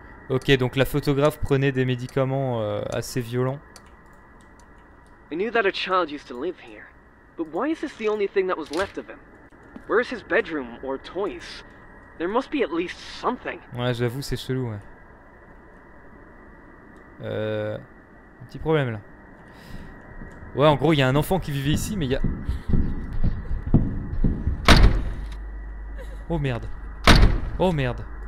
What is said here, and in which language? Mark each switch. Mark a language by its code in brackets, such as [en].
[fr] Ok, donc la photographe prenait des médicaments assez violents. [en] I knew that a child used to live here, but why is this the only thing that was left of him? Where is his bedroom or toys? There must be at least something. [fr] Ouais, j'avoue, c'est chelou, ouais. Un petit problème là. Ouais, en gros, il y a un enfant qui vivait ici, mais il y a. Oh merde. Oh merde.